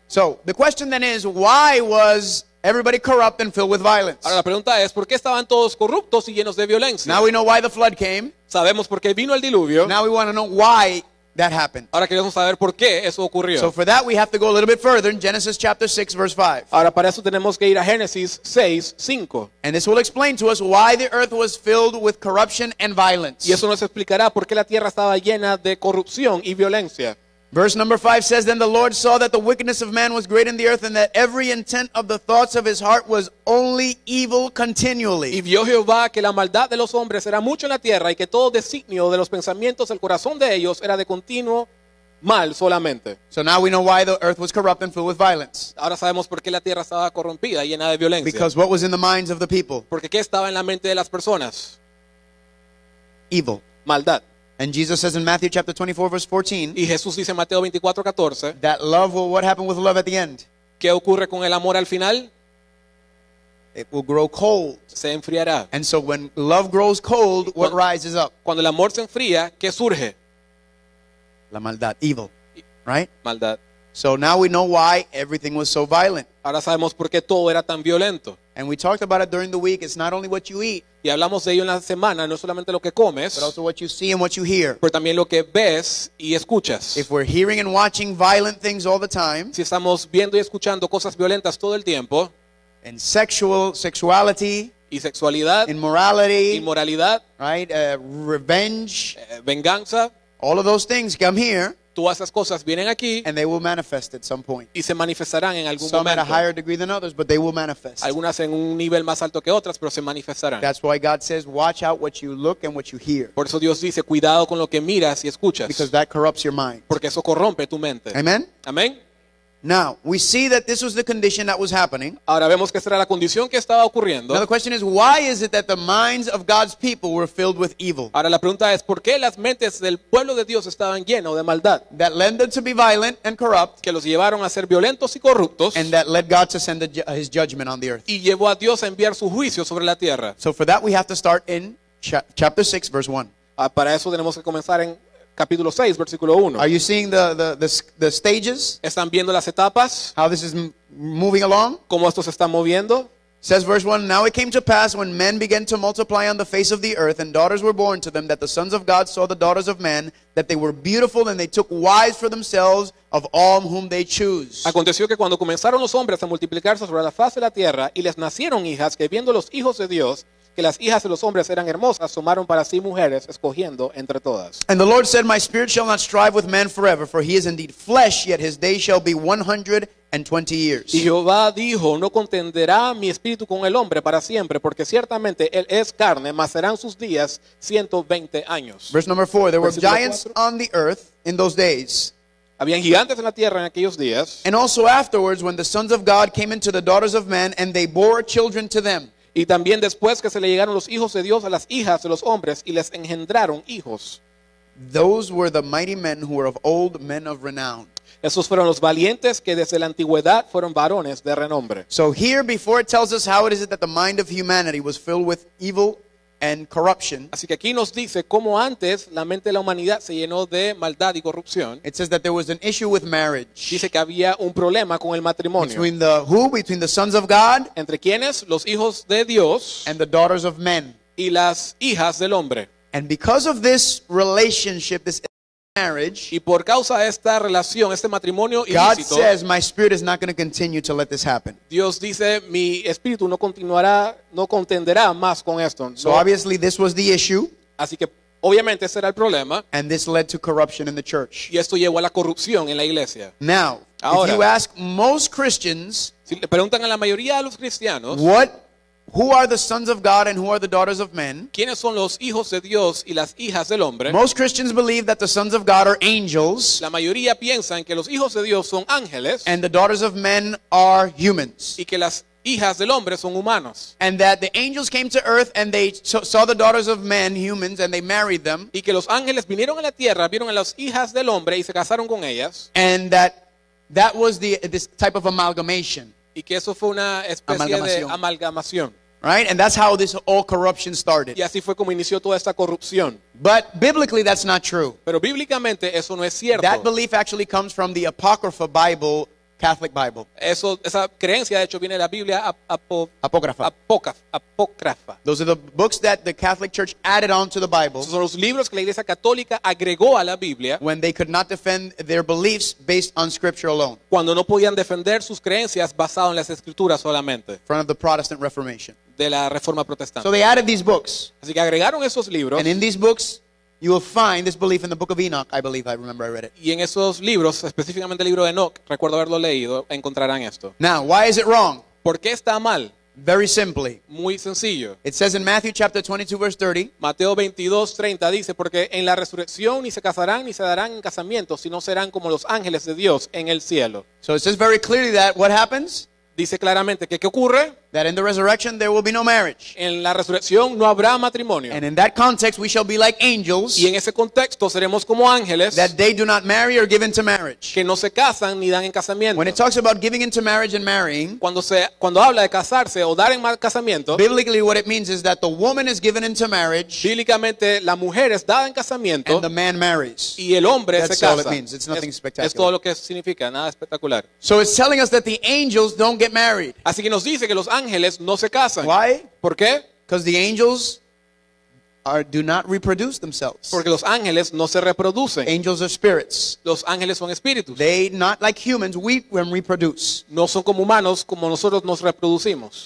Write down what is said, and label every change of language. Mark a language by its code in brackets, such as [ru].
[en] So the question then is, why was everybody corrupt and filled with violence? [es] Ahora la pregunta es, ¿por qué estaban todos corruptos y llenos de violencia? [en] Now we know why the flood came. [es] Sabemos por qué vino el diluvio. [en] Now we want to know why that happened. [es] Ahora queremos saber por qué eso ocurrió. [en] So for that we have to go a little bit further in Genesis chapter 6 verse 5. [es] Ahora para eso tenemos que ir a Génesis 6, 5. [en] And this will explain to us why the earth was filled with corruption and violence. [es] Y eso nos explicará por qué la tierra estaba llena de corrupción y violencia. [en] Verse number 5 says, then the Lord saw that the wickedness of man was great in the earth, and that every intent of the thoughts of his heart was only evil continually. [es] Y vio Jehová que la maldad de los hombres era mucho en la tierra, y que todo designio de los pensamientos del corazón de ellos era de continuo mal solamente. [en] So now we know why the earth was corrupt and filled with violence. [es] Ahora sabemos por qué la tierra estaba corrompida y llena de violencia. [en] Because what was in the minds of the people? [es] Porque qué estaba en la mente de las personas? [en] Evil. [es] Maldad. [en] And Jesus says in Matthew chapter 24 verse 14, [es] y Jesús dice en Mateo 24, 14, [en] that love will, what happened with love at the end? [es] ¿Qué ocurre con el amor al final? [en] It will grow cold. [es] Se enfriará. [en] And so when love grows cold, what rises up? [es] Cuando el amor se enfría, ¿qué surge? La maldad, [en] evil, right? [es] Maldad. [en] So now we know why everything was so violent. [es] Ahora sabemos por qué todo era tan violento. [en] And we talked about it during the week. It's not only what you eat. [es] Y hablamos de ello en la semana, no solamente lo que comes, [en] but also what you see and what you hear. [es] Pero también lo que ves y escuchas. [en] If we're hearing and watching violent things all the time, [es] si estamos viendo y escuchando cosas violentas todo el tiempo, [en] and sexuality, [es] y sexualidad, [en] immorality, [es] inmoralidad, [en] right, revenge, [es] venganza, [en] all of those things come here. [es] Todas esas cosas vienen aquí, [en] and they will manifest at some point. [es] Y se manifestarán en algún [en] some [es] momento. [en] At a higher degree than others, but they will manifest. [es] Algunas en un nivel más alto que otras, pero se manifestarán. [en] That's why God says, watch out what you look and what you hear. [es] Por eso Dios dice, cuidado con lo que miras y escuchas. [en] Because that corrupts your mind. [es] Porque eso corrompe tu mente. [en] Amen? [es] Amen. [en] Now, we see that this was the condition that was happening. [es] Ahora vemos que esta era la condición que estaba ocurriendo. [en] Now the question is, why is it that the minds of God's people were filled with evil? [es] Ahora la pregunta es, ¿por qué las mentes del pueblo de Dios estaban llenas de maldad? [en] That led them to be violent and corrupt. [es] Que los llevaron a ser violentos y corruptos. [en] And that led God to send his judgment on the earth. [es] Y llevó a Dios a enviar su juicio sobre la tierra. [en] So for that we have to start in chapter 6, verse 1. [es] Para eso tenemos que comenzar en capítulo 6, versículo 1. [en] Are you seeing the stages? [es] ¿Están viendo las etapas? [en] How this is moving along? [es] ¿Cómo esto se está moviendo? [en] Says verse 1, now it came to pass when men began to multiply on the face of the earth and daughters were born to them, that the sons of God saw the daughters of men, that they were beautiful, and they took wives for themselves of all whom they choose. [es] Aconteció que cuando comenzaron los hombres a multiplicarse sobre la faz de la tierra y les nacieron hijas, que viendo los hijos de Dios que las hijas de los hombres eran hermosas, tomaron para sí mujeres, escogiendo entre todas. [en] And the Lord said, my spirit shall not strive with man forever, for he is indeed flesh, yet his day shall be 120 years. [es] Y Jehová dijo, no contenderá mi espíritu con el hombre para siempre, porque ciertamente él es carne, mas serán sus días 120 años. [en] Verse number 4, there were giants on the earth in those days. [es] Habían gigantes en la tierra en aquellos días. [en] And also afterwards, when the sons of God came into the daughters of men, and they bore children to them. [es] Y también después que se le llegaron los hijos de Dios a las hijas de los hombres y les engendraron hijos. [en] Those were the mighty men who were of old, men of renown. [es] Esos fueron los valientes que desde la antigüedad fueron varones de renombre. [en] So here, before it tells us how it is that the mind of humanity was filled with evil and corruption. [es] Así que aquí nos dice cómo antes la mente de la humanidad se llenó de maldad y corrupción. [en] It says that there was an issue with marriage. [es] Dice que había un problema con el matrimonio. [en] Between the who? Between the sons of God. [es] ¿Entre quiénes? Los hijos de Dios. [en] And the daughters of men. [es] Y las hijas del hombre. [en] And because of this relationship, this marriage, [es] y por causa de esta relación, este matrimonio ilícito, [en] God says, my spirit is not going to continue to let this happen. [es] Dios dice, mi espíritu no continuará, no contenderá más con esto. [en] So obviously this was the issue. [es] Así que obviamente ese era el problema. [en] And this led to corruption in the church. [es] Y esto llevó a la corrupción en la iglesia. [en] Now, [es] ahora, [en] if you ask most Christians, [es] si le preguntan a la mayoría de los cristianos, [en] who are the sons of God and who are the daughters of men? [es] ¿Quiénes son los hijos de Dios y las hijas del hombre? [en] Most Christians believe that the sons of God are angels. [es] La mayoría piensan que los hijos de Dios son ángeles. [en] And the daughters of men are humans. [es] Y que las hijas del hombre son humanos. [en] And that the angels came to earth and they saw the daughters of men, humans, and they married them. [es] Y que los ángeles vinieron a la tierra, vieron a las hijas del hombre y se casaron con ellas. [en] And that was this type of amalgamation. [es] Y que eso fue una especie de amalgamación. [en] Right? And that's how this all corruption started. [es] Y así fue como inició toda esta corrupción. [en] But biblically, that's not true. [es] Pero bíblicamente, eso no es cierto. [en] That belief actually comes from the Apocrypha Bible, Catholic Bible. [es] Esa creencia, de hecho, viene de la Biblia Apócrifa. Apócrifa. [en] Those are the books that the Catholic Church added on to the Bible. [es] Esos son los libros que la Iglesia Católica agregó a la Biblia. [en] When they could not defend their beliefs based on Scripture alone. [es] Cuando no podían defender sus creencias basado en las Escrituras solamente. [en] In front of the Protestant Reformation. [es] De la Reforma Protestante. [en] So they added these books. [es] Así que agregaron esos libros. [en] And in these books, you will find this belief in the book of Enoch. I read it. [es] Y en esos libros, específicamente el libro de Enoch, recuerdo haberlo leído, encontrarán esto. [en] Now, why is it wrong? [es] ¿Por qué está mal? [en] Very simply. [es] Muy sencillo. [en] It says in Matthew chapter 22 verse 30. [es] Mateo 22:30 dice, porque en la resurrección ni se casarán ni se darán en casamiento, sino serán como los ángeles de Dios en el cielo. [en] So it says very clearly that what happens? [es] Dice claramente que ¿qué ocurre? [en] That in the resurrection there will be no marriage. [es] En la resurrección no habrá matrimonio. [en] And in that context we shall be like angels. [es] Y en ese contexto seremos como ángeles. [en] That they do not marry or give into marriage. [es] Que no se casan ni dan en casamiento. [en] When it talks about giving into marriage and marrying. [es] Cuando habla de casarse o dar en casamiento. [en] Biblically what it means is that the woman is given into marriage. [es] Bíblicamente la mujer es dada en casamiento. [en] And the man marries. [es] Y el hombre [en] That's [es] se casa. [en] That's all it means. It's nothing spectacular. [es] Es todo lo que significa, nada espectacular. [en] So it's telling us that the angels don't get married. [es] Así que nos dice que los ángeles no se casan. [en] Why? [es] ¿Por qué? [en] Because the angels do not reproduce themselves. [es] Porque los ángeles no se reproducen. [en] Angels are spirits. [es] Los ángeles son espíritus. [en] They not like humans. We can reproduce. [es] No son como humanos como nosotros nos reproducimos.